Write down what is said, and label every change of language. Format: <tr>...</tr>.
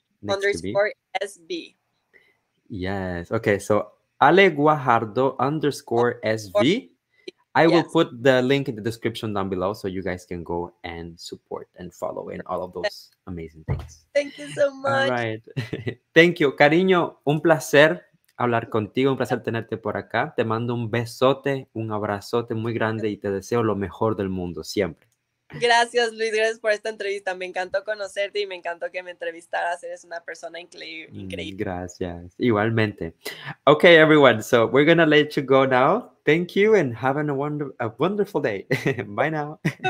<en>Underscore SB. Yes. Okay. So Ale Guajardo underscore SV. I will put the link in the description down below so you guys can go and support and follow in all of those amazing things. Thank you so much. All right. Thank you.</en> <es>Cariño, un placer hablar contigo. Un placer tenerte por acá. Te mando un besote, un abrazote muy grande y te deseo lo mejor del mundo siempre. Gracias, Luis. Gracias por esta entrevista. Me encantó conocerte y me encantó que me entrevistaras. Eres una persona increíble. Gracias. Igualmente.</es> <en>Okay, everyone. So we're going to let you go now. Thank you and have a wonderful day. Bye now.</en>